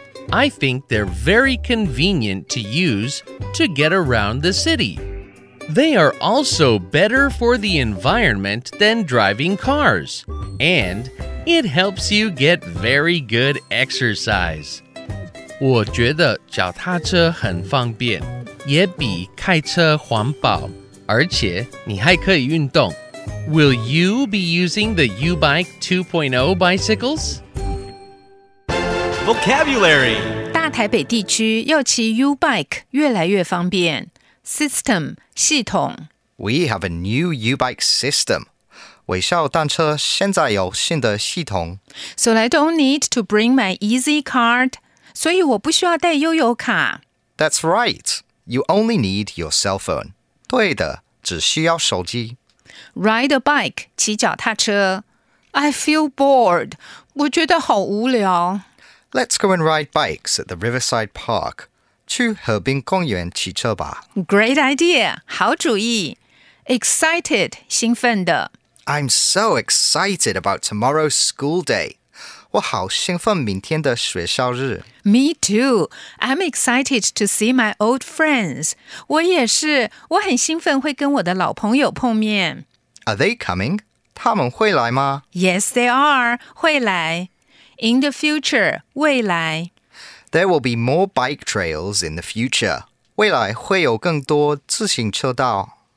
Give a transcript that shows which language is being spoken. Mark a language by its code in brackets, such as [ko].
[en] I think they're very convenient to use to get around the city. They are also better for the environment than driving cars, and it helps you get very good exercise. [zh] 我觉得脚踏车很方便，也比开车环保，而且你还可以运动。 [en] Will you be using the YouBike 2.0 bicycles? Vocabulary. [zh] 大台北地区要骑 YouBike 越来越方便。 [en] System, 系统。 We have a new YouBike system. [zh] 微笑单车现在有新的系统。 [en] So I don't need to bring my EasyCard. [zh] 所以我不需要带悠游卡。 [en] That's right. You only need your cell phone. [zh] 对的，只需要手机。 [en] Ride a bike, [zh] 骑脚踏车。 [en] I feel bored. [zh] 我觉得好无聊。 [en] Let's go and ride bikes at the riverside park. [zh] 去河濱公园骑车吧。 [en] Great idea, [zh] 好主意。 [en] Excited, [zh] 兴奋的。 [en] I'm so excited about tomorrow's school day. [zh] 我好兴奋明天的学校日。 [en] Me too. I'm excited to see my old friends. [zh] 我也是。我很兴奋会跟我的老朋友碰面。 [en] Are they coming? [zh] 他们会来吗? [en] Yes, they are. [zh] 会来。 [en] In the future, [zh] 未来。 [en] There will be more bike trails in the future. [zh] 未来会有更多自行车道。